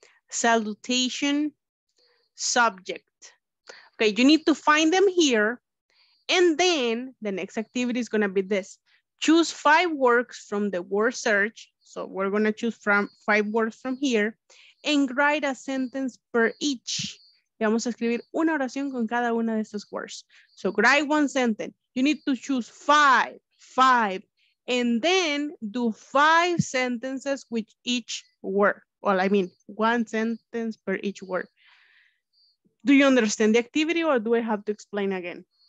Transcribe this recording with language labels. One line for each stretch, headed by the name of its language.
English: Salutation. Subject. Okay, you need to find them here. And then the next activity is going to be this. Choose five words from the word search. So we're going to choose from five words from here. And write a sentence per each.
Spanish: Y vamos a escribir una oración con cada una de estas words.
English: So, write one sentence. You need to choose five, and then do five sentences with each word. Well, I mean, one sentence per each word. Do you understand the activity or do I have to explain again?